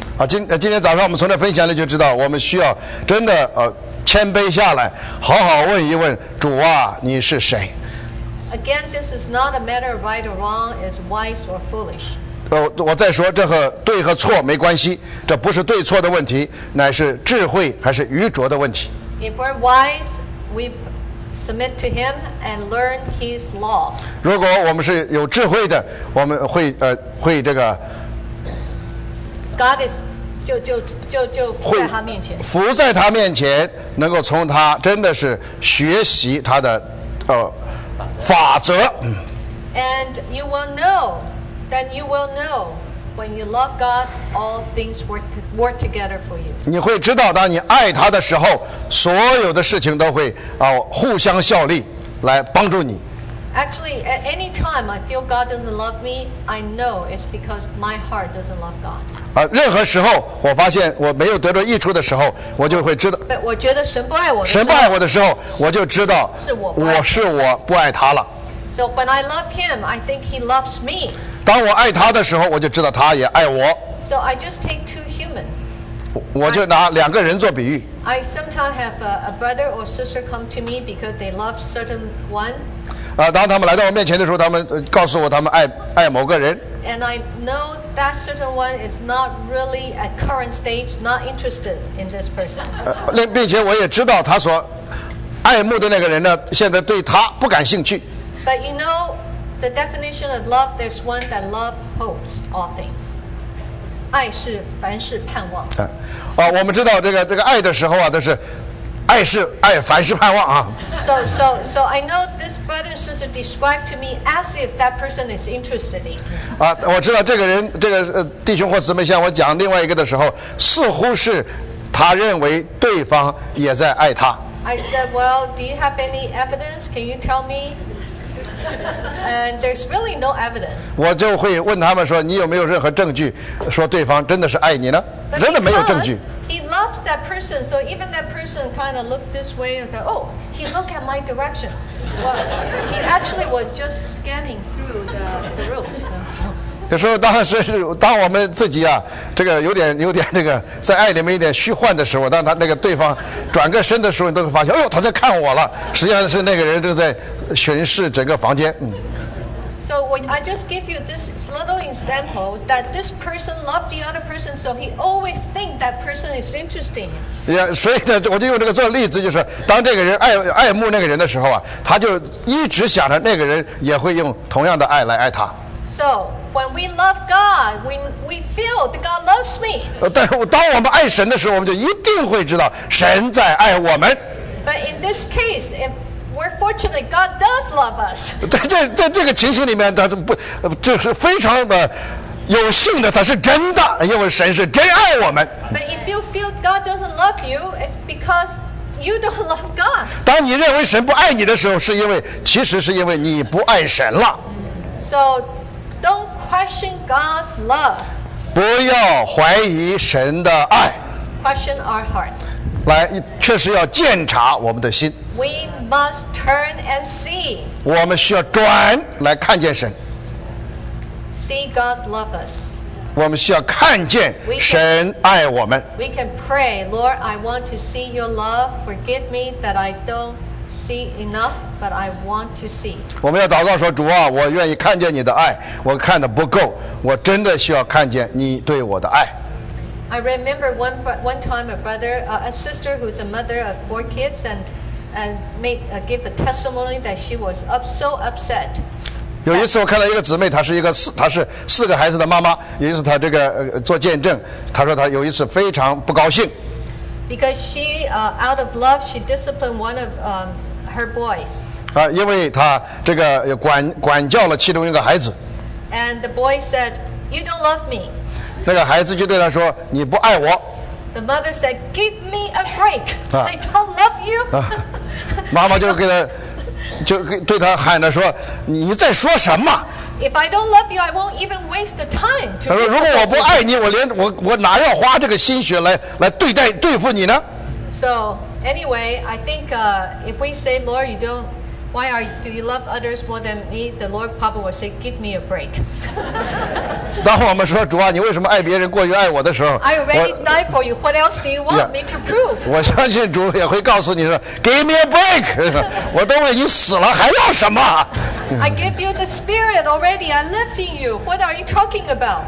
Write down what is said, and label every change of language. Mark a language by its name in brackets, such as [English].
[Chinese] 今天早上我们从这分享里就知道，我们需要真的谦卑下来，好好问一问主啊，你是谁？ [English] Again, this is not a matter of right or wrong. It's wise or foolish. [Chinese] 我再说，这和对和错没关系，这不是对错的问题，乃是智慧还是愚拙的问题。 [English] If we're wise, we submit to Him and learn His law. [Chinese] 如果我们是有智慧的，我们会会这个。 [English] God is [Chinese] 就会在他面前，伏在他面前，能够从他真的是学习他的法则。 [English] And you will know, then you will know when you love God, all things work together for you. [Chinese] 你会知道，当你爱他的时候，所有的事情都会互相效力来帮助你。 [English] Actually, at any time I feel God doesn't love me, I know it's because my heart doesn't love God. [Chinese] 任何时候我发现我没有得着益处的时候，我就会知道。我觉得神不爱我。神不爱我的时候，我就知道是我不爱他了。 [English] So when I love Him, I think He loves me. [Chinese] 当我爱他的时候，我就知道他也爱我。 [English] So I just take two human. [Chinese] 我就拿两个人做比喻。 [English] I sometimes have a brother or sister come to me because they love certain one. [Chinese] 当他们来到我面前的时候，他们告诉我他们爱某个人。 [English] And I know that certain one is not really at current stage, not interested in this person. [Chinese] 并且我也知道他所爱慕的那个人呢，现在对他不感兴趣。 [English] But you know, the definition of love, there's one that love hopes all things. [Chinese] 爱是凡事盼望。我们知道这个爱的时候啊，都是。爱是爱，凡事盼望啊。 [English] So I know this brother and sister described to me as if that person is interested in. [Chinese] 我知道这个人，这个弟兄或姊妹向我讲另外一个的时候，似乎是他认为对方也在爱他。 [English] I said, well, do you have any evidence? Can you tell me? And there's really no evidence. [Chinese] 我就会问他们说，你有没有任何证据说对方真的是爱你呢？真的没有证据。 [English] He loves that person, so even that person kind of looked this way and said, "Oh, he looked at my direction." Well, he actually was just scanning through the room. [Chinese] 有时候当我们自己啊，这个有点那个，在爱里面有点虚幻的时候，当他那个对方转个身的时候，你都会发现，哎呦，他在看我了。实际上是那个人正在巡视整个房间。 [English] So I just give you this little example that this person loved the other person, so he always think that person is interesting. [Chinese] Yeah, 所以呢，我就用这个做例子，就是当这个人爱慕那个人的时候啊，他就一直想着那个人也会用同样的爱来爱他。 [English] So when we love God, we feel that God loves me. [Chinese] 但当我们爱神的时候，我们就一定会知道神在爱我们。 [English] But in this case, if we're fortunate, God does love us. [Chinese] 在这个情形里面，他不就是非常的有幸的，他是真的，因为神是真爱我们。 [English] But if you feel God doesn't love you, it's because you don't love God. [Chinese] 当你认为神不爱你的时候，是因为其实是因为你不爱神了。 [English] So don't question God's love. [Chinese] 不要怀疑神的爱。 [English] Question our heart. [Chinese] 来，确实要检查我们的心。 [English] We must turn and see. [Chinese] 我们需要转来看见神。 [English] See God's love us. [Chinese] 我们需要看见神爱我们。 [English] We can pray, Lord, I want to see your love. Forgive me that I don't see enough, but I want to see. [Chinese] 我们要祷告说，主啊，我愿意看见你的爱，我看得不够，我真的需要看见你对我的爱。 [English] I remember one time a sister who's a mother of four kids and give a testimony that she was so upset. [Chinese] 有一次我看到一个姊妹，她是四个孩子的妈妈，有一次她这个做见证，她说她有一次非常不高兴。 [English] Because she out of love she disciplined one of her boys. [Chinese] 因为她这个管教了其中一个孩子。 [English] And the boy said, You don't love me. [Chinese] 那个孩子就对他说：“你不爱我。” [English] The mother said, "Give me a break. I don't love you." [Chinese] 妈妈就给他，就对他喊着说：“你在说什么？” [English] If I don't love you, I won't even waste the time. [Chinese] 他说：“如果我不爱你，我连我哪要花这个心血来对付你呢？” [English] So anyway, I think if we say, "Lord, you don't." Why are you, do you love others more than me? The Lord probably will say, "Give me a break." [Chinese] 当我们说主啊，你为什么爱别人过于爱我的时候 [English] ，I already died for you. What else do you want me to prove? [Chinese] 我相信主也会告诉你说 ， [English] Give me a break. [Chinese] 我都为你死了，还要什么 [English] ？I gave you the Spirit already. I lived in you. What are you talking about?